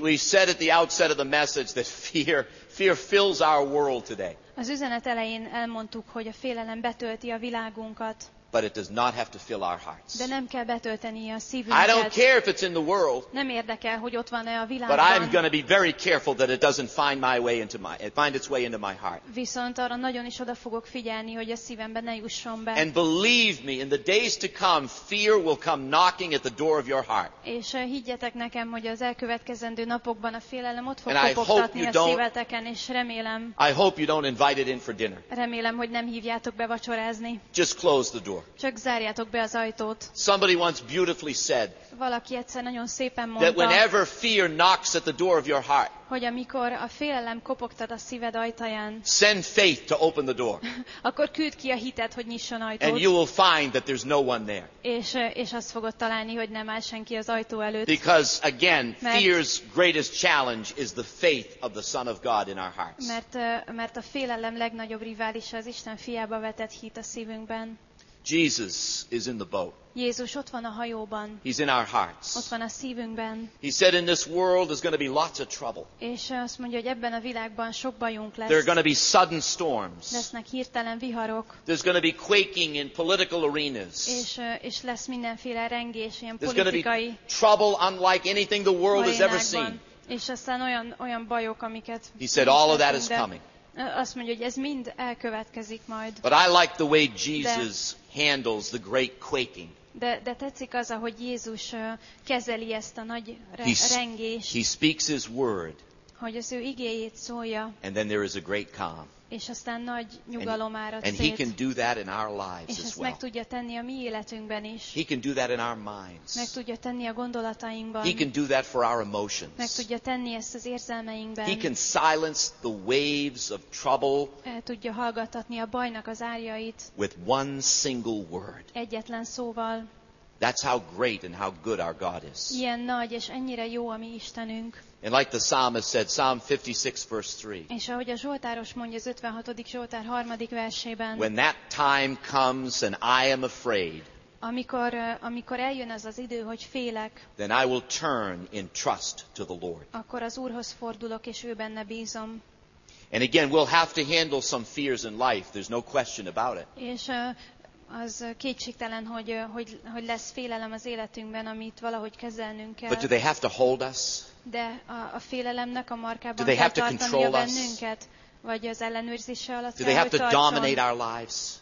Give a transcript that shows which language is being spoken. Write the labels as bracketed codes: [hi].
[en] We said at the outset of the message that fear fills our world today. [hu] Az üzenet elején elmondtuk, hogy a félelem betölti a világunkat. [en] But it does not have to fill our hearts. [hu] De nem kell betölteni a szívünket. [en] I don't care if it's in the world. [hu] Nem érdekel, hogy ott van-e a világban. [en] But I'm going to be very careful that it doesn't find my way into my find its way into my heart. [hu] Viszont arra nagyon is oda fogok figyelni, hogy a szívembe ne jusson be. [en] And believe me, in the days to come, fear will come knocking at the door of your heart. [hu] És higgyetek nekem, hogy az elkövetkezendő napokban a félelem ott fog kopogtatni a szíveteken, és remélem. [en] I hope you don't invite it in for dinner. [hu] Remélem, hogy nem hívjátok be vacsorázni. [en] Just close the door. [hu] Csak zárjátok be az ajtót. [en] Somebody once beautifully said. [hu] Valaki egyszer nagyon szépen mondta. [en] That whenever fear knocks at the door of your heart. [hu] Hogy amikor a félelem kopogtat a szíved ajtaján. [en] Send faith to open the door. [hu] Akkor küld ki a hitet, hogy nyisson ajtót. [en] And you will find that there's no one there. [hu] És azt fogod találni, hogy nem áll senki az ajtó előtt. [en] Because again, fear's greatest challenge is the faith of the Son of God in our hearts. [hu] Mert a félelem legnagyobb riválisa az Isten fiába vetett hit a szívünkben. [en] Jesus is in the boat. [hu] Jézus ott van a hajóban. [en] He's in our hearts. [hu] Ott van a szívünkben. [en] He said in this world is going to be lots of trouble. [hu] És azt mondja, hogy ebben a világban sok bajunk lesz. [en] There are going to be sudden storms. [hu] Lesznek hirtelen viharok. [en] There's going to be quaking in political arenas. [hu] És lesz mindenféle rengés, ilyen [en] There's [hu] politikai. [en] Be trouble unlike anything the world has ever seen. [hu] És aztán olyan bajok, amiket. [en] He said all of that is coming. [hu] Azt mondja, hogy ez mind elkövetkezik majd. [en] But I like the way Jesus handles the great quaking. [hu] De tetszik az, ahogy Jézus kezeli ezt a nagy rengést. [en] He speaks his word. [hu] Hogy az ő igéjét szólja. [en] And then there is a great calm. [hu] És aztán nagy nyugalom árad szét. [en] And he can do that in our lives as well. [hu] És ezt meg tudja tenni a mi életünkben is. [en] He can do that in our minds. [hu] Meg tudja tenni a gondolatainkban. [en] He can do that for our emotions. [hu] Meg tudja tenni ezt az érzelmeinkben. [en] He can silence the waves of trouble. [hu] El tudja hallgatatni a bajnak az árjait. [en] With one single word. [hu] Egyetlen szóval. [en] That's how great and how good our God is. [hu] Ilyen nagy és ennyire jó a mi Istenünk. [en] And like the psalmist said, Psalm 56, verse 3. [hu] És ahogy a Zsoltáros mondja az 56. Zsoltár 3. versében. [en] When that time comes and I am afraid. [hu] Amikor eljön az az idő, hogy félek. [en] Then I will turn in trust to the Lord. [hu] Akkor az Úrhoz fordulok és ő benne bízom. [en] And again, we'll have to handle some fears in life. There's no question about it. [hu] És az kétségtelen, hogy lesz félelem az életünkben, amit valahogy kezelnünk kell. [en] But do they have to hold us? [hu] De a félelemnek a markában kell tartania bennünket, vagy az ellenőrzése alatt kell, hogy tartson. [en] Dominate our lives?